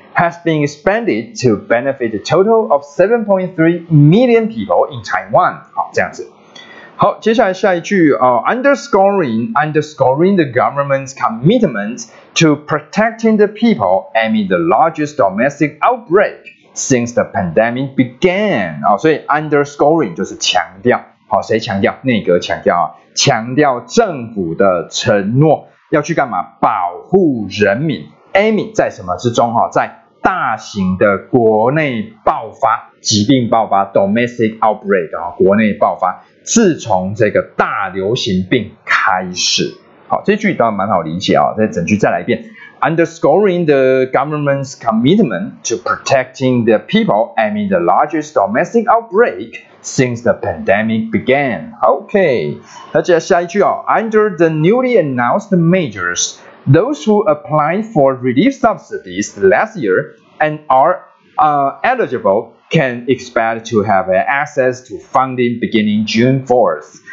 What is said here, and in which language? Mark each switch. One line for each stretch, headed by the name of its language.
English: has been expanded to benefit a total of 7.3 million people in Taiwan.
Chinese: 好，这样子。好，接下来下一句、
English: underscoring the government's commitment to protecting the people amid the largest domestic outbreak since the pandemic began.
Chinese: 好，所以 underscoring 就是强调。好，谁强调？内阁强调啊，强调政府的承诺要去干嘛？保护人民。Amid 在什么之中？在大型的国内爆发疾病爆发
English: domestic outbreak
Chinese: 国内爆发，自从这个大流行病开始。好，这句倒蛮好理解啊，再整句再来一遍。
English: Underscoring the government's commitment to protecting the people amid the largest domestic outbreak since the pandemic began. OK，
Chinese: 那接下一句哦
English: ，Under the newly announced measures, those who apply for relief subsidies last year and are eligible can expect to have access to funding beginning June 4th.